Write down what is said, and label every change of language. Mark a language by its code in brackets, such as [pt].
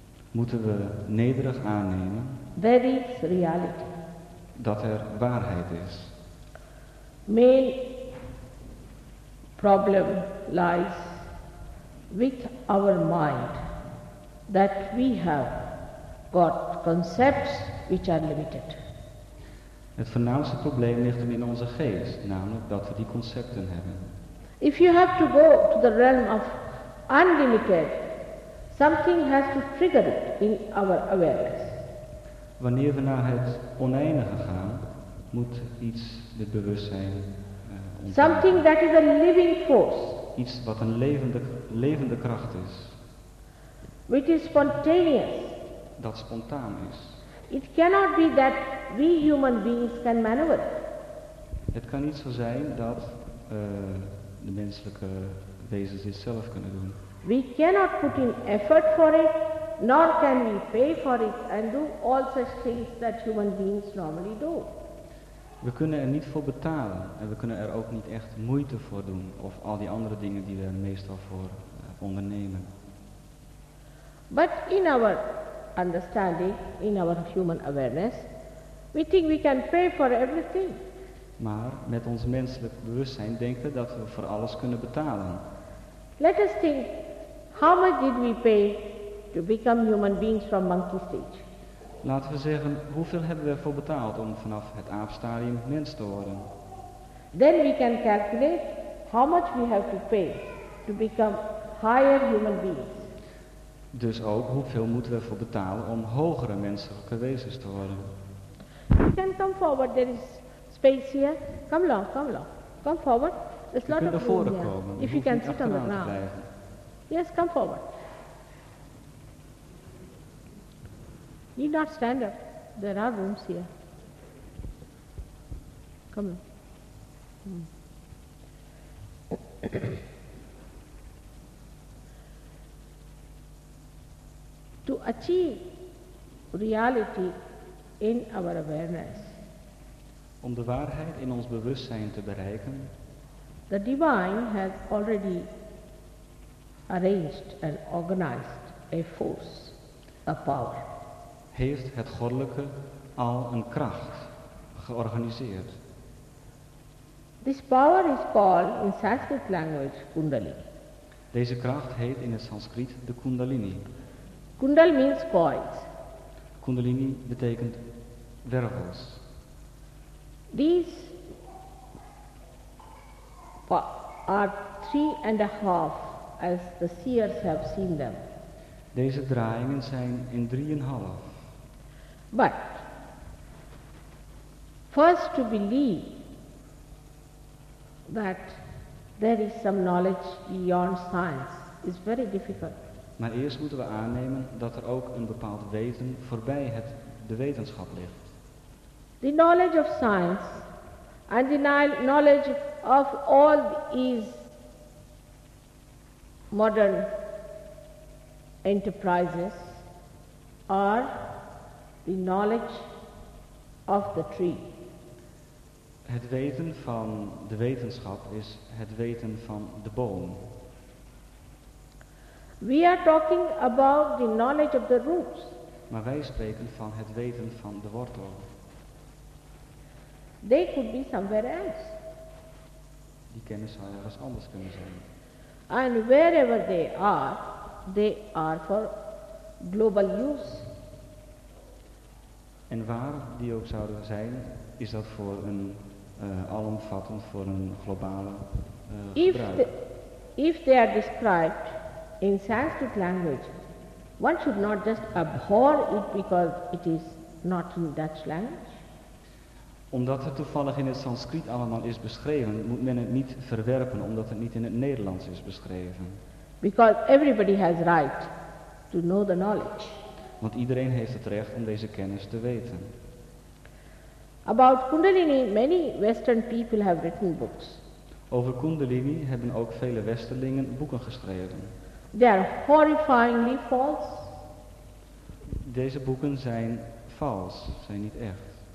[nl] Moeten we nederig aannemen. [en] There is reality. [nl] Dat er waarheid is. [en] Main problem lies with our mind that we have got concepts which are limited. [nl] Het voornaamste probleem ligt hem in onze geest, namelijk dat we die concepten hebben. [en] If you have to go to the realm of unlimited, something has to trigger it in our awareness. [nl] Wanneer we naar het oneindige gaan, moet iets dit bewustzijn ontdekken. [en] Something that is a living force. [nl] Iets wat een levende kracht is. [en] Which is spontaneous. [nl] Dat spontaan is. [en] It cannot be that we human beings can maneuver. [nl] Het kan niet zo zijn dat de menselijke wezens dit zelf kunnen doen. [en] We cannot put in effort for it. Nor can we pay for it and do all such things that human beings normally do. [nl] We kunnen er niet voor betalen en we kunnen er ook niet echt moeite voor doen of al die andere dingen die we er meestal voor ondernemen. [en] But in our understanding, in our human awareness, we think we can pay for everything. [nl] Maar met ons menselijk bewustzijn denken dat we voor alles kunnen betalen. [en] Let us think, how much did we pay to become human beings from monkey stage. [nl] Laten we zeggen, hoeveel hebben we ervoor betaald om vanaf het aapstadium mens te worden? [en] Then we can calculate how much we have to pay to become higher human beings. [nl] Dus ook hoeveel moeten we ervoor betalen om hogere menselijke wezens te worden? [en] We can come forward, there is space here. Come along, come along. Come forward. There's a lot of room here. If you can sit on the ground. Yes, come forward. Need not stand up. There are rooms here. Come on. To achieve reality in our awareness. [nl] Om de waarheid in ons bewustzijn te bereiken. [en] The divine has already arranged and organized a force, a power. [nl] Heeft het goddelijke al een kracht georganiseerd. [en] This power is called in Sanskrit language Kundalini. [nl] Deze kracht heet in het Sanskriet de Kundalini. [en] Kundal means coils. [nl] Kundalini betekent wervels. [en] These are 3.5 as the seers have seen them. [nl] Deze draaiingen zijn in 3.5. [en] But first to believe that there is some knowledge beyond science is very difficult. [nl] Maar eerst moeten we aannemen dat er ook een bepaald weten voorbij het de wetenschap ligt. [en] The knowledge of science and the knowledge of all these modern enterprises are the knowledge of the tree. [nl] Het weten van de wetenschap is het weten van de boom. [en] We are talking about the knowledge of the roots. [nl] Maar wij spreken van het weten van de wortel. [en] They could be somewhere else. [nl] Die kennis zou ergens anders kunnen zijn. [en] And wherever they are for global use. [nl] En waar die ook zouden zijn, is dat voor een alomvattend, voor een globale gebruik. [en] If they are described in Sanskrit language, one should not just abhor it because it is not in Dutch language. [nl] Omdat het toevallig in het Sanskriet allemaal is beschreven, moet men het niet verwerpen omdat het niet in het Nederlands is beschreven. [en] Because everybody has right to know the knowledge. [nl] Want iedereen heeft het recht om deze kennis te weten. [en] About Kundalini, many Western people have written books. [nl] Over Kundalini hebben ook vele Westerlingen boeken geschreven. [en] They are horrifyingly false. [nl] Deze boeken zijn vals, zijn niet echt.